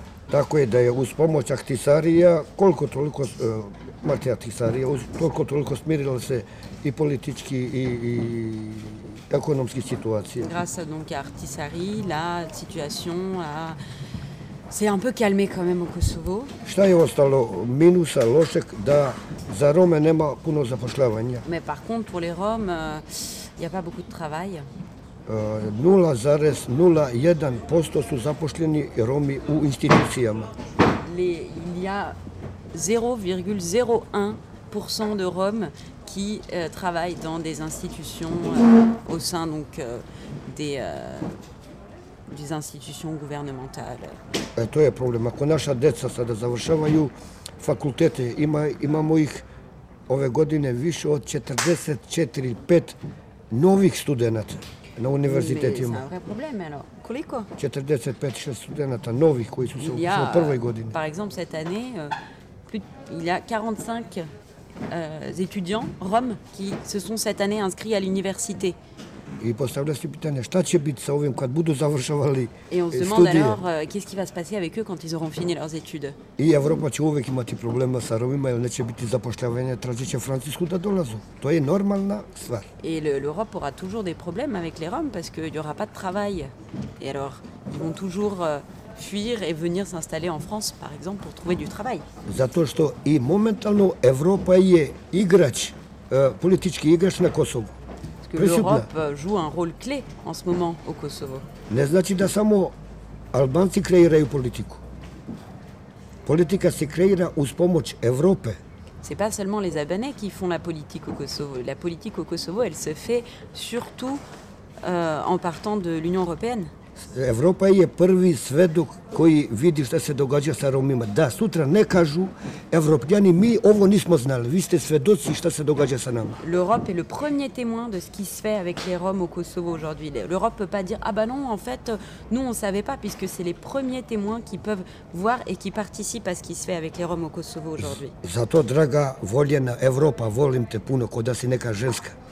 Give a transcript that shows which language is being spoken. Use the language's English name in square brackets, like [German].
[Serbian] Tako je da je uz pomoć Ahtisarija, koliko toliko Martija Ahtisarija, koliko toliko smirila se i politički i ekonomski situacija. [French] Grâce donc à Ahtisari, la situation a c'est un peu calmé quand même au Kosovo. [Serbian] Šta je ostalo minusa lošeg da za Rome nema puno zapošljavanja. [French] Mais par contre pour les Roms, il y a pas beaucoup de travail. [Serbian] 0,01% su zaposleni Romi u institucijama. [French] Il y a 0,01% de Roms qui travaillent dans des institutions au sein donc des institutions gouvernementales. [Serbian] Et to je problem. Ako naša deca sada završavaju fakultete, imamo ih ove godine više od 44,5 novih studenata na univerzitetima. [French] Mais c'est un vrai problème, alors. [Serbian] Koliko? 45-6 studenata novih koji su se upisali u prvoj godini. [French] Par exemple, cette année, il y a 45 étudiants roms qui se sont cette année inscrits à l'université. [Serbian] I postavlja se pitanje šta će biti sa ovim kad budu završavali studije. [French] Et on se demande alors qu'est-ce qui va se passer avec eux quand ils auront fini leurs études. [Serbian] I Evropa će uvek imati problema sa Romima jer neće biti zapošljavanja, tražit će Francusku da dolazu. To je normalna stvar. [French] Et l'Europe aura toujours des problèmes avec les Roms parce qu'il n'y aura pas de travail. Et alors, ils vont toujours fuir et venir s'installer en France, par exemple, pour trouver du travail. [Serbian] Zato što i momentalno Evropa je igrač, politički igrač na Kosovu. [French] L'Europe joue un rôle clé en ce moment au Kosovo. [Serbian] Ne znači da samo Albanci kreiraju politiku. Politika se kreira uz pomoć Evrope. [French] C'est pas seulement les Albanais qui font la politique au Kosovo. La politique au Kosovo, elle se fait surtout en partant de l'Union européenne. [Serbian] Evropa je prvi svedok koji vidi šta se događa sa Romima. Da, sutra ne kažu evropljani, mi ovo nismo znali. Vi ste svedoci šta se događa sa nama. [French] L'Europe est le premier témoin de ce qui se fait avec les Roms au Kosovo aujourd'hui. L'Europe peut pas dire, ah bah non, en fait, nous on savait pas, puisque c'est les premiers témoins qui peuvent voir et qui participent à ce qui se fait avec les Roms au Kosovo aujourd'hui. [Serbian] Zato, draga, voljena Evropa, volim te puno, ko da si neka ženska.